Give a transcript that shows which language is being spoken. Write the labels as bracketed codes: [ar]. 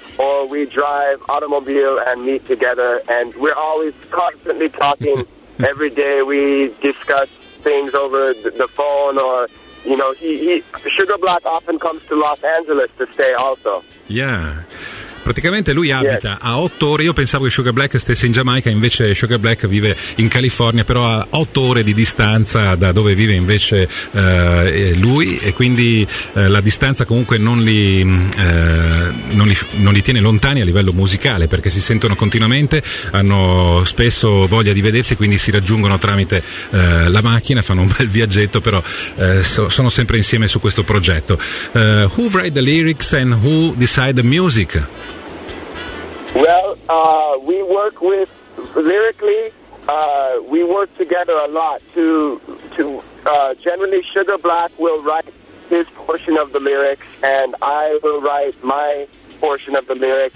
[en] Or we drive automobile and meet together, and we're always constantly talking. Every day we discuss things over the phone, or, you know, Sugar Black often comes to Los Angeles to stay also. [it] Yeah. Praticamente lui abita a 8 ore. Io pensavo che Sugar Black stesse in Giamaica, invece Sugar Black vive in California, però a 8 ore di distanza da dove vive invece lui, e quindi la distanza comunque non li tiene lontani a livello musicale, perché si sentono continuamente, hanno spesso voglia di vedersi, quindi si raggiungono tramite la macchina, fanno un bel viaggetto, però sono sempre insieme su questo progetto. [en] Who write the lyrics and who decide the music? Well, we work with, lyrically, we work together a lot to generally Sugar Black will write his portion of the lyrics, and I will write my portion of the lyrics.